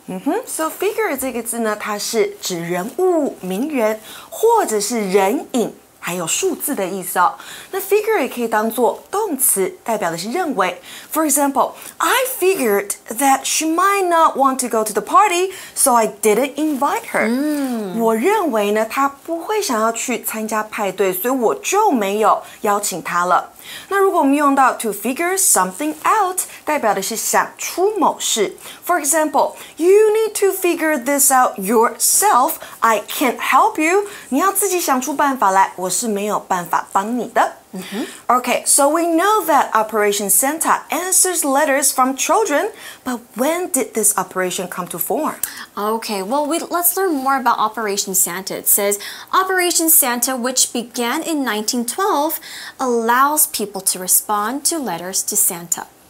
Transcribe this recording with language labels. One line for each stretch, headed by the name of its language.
Chinese: Mm-hmm. So figure 这个字呢，它是指人物、名人，或者是人影，还有数字的意思哦。那 figure 也可以当作动词，代表的是认为。
English: For example, I figured that she might not want to go to the party, so I didn't invite her.、 Mm.
Chinese: 我认为呢，她不会想要去参加派对，所以我就没有邀请她了。那如果我们用到
English: to figure something out,
Chinese: 代表的是想出某事。
English: For example, you need to figure this out yourself. I can't help you.
Chinese: 你要自己想出办法来，我是没有办法帮你的。 Mm-hmm.
English: Okay, so we know that Operation Santa answers letters from children, but when did this operation come to form? Okay, well, let's learn more about Operation Santa. It says, Operation Santa, which began in 1912, allows people to respond to letters to Santa.